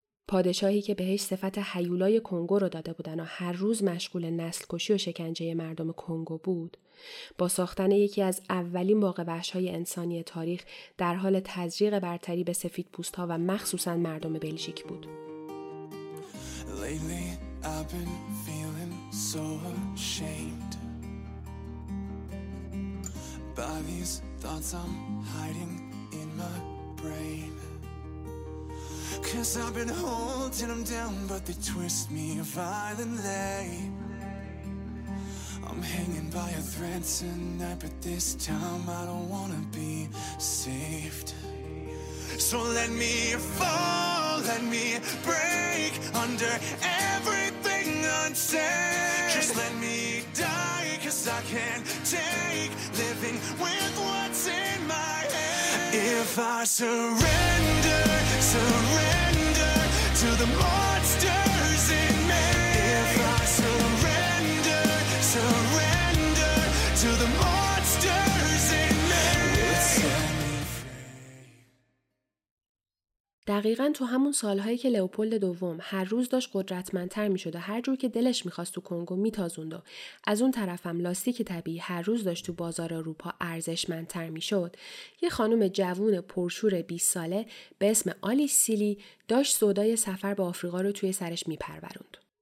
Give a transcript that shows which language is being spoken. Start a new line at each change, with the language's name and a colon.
Persian: پادشاهی که بهش صفت هیولای کنگو رو داده بودن و هر روز مشغول نسل کشی و شکنجه مردم کنگو بود، با ساختن یکی از اولین باغ وحش‌های انسانی تاریخ در حال تزریق برتری به سفید پوست ها و مخصوصا مردم بلژیک بود.
English: Lately I've been feeling so ashamed by these thoughts I'm hiding in my brain. 'Cause I've been holding them down, but they twist me violently. I'm hanging by a thread tonight, but this time I don't wanna be saved. So let me fall, let me break under everything unsaid. Just let me die, 'cause I can't take living with what's in my head. If I surrender, surrender to the monsters in me. If I surrender, surrender to the monsters in me.
Persian: دقیقاً تو همون سالهایی که لئوپولد دوم هر روز داشت قدرتمندتر می‌شد و هر جور که دلش می‌خواست تو کنگو می‌تازوند و از اون طرفم لاستیک طبیعی هر روز داشت تو بازار اروپا ارزشمندتر می‌شد، یه خانم جوون پرشور 20 ساله به اسم آلیس سیلی داشت سودای سفر به آفریقا رو توی سرش می‌پروروند.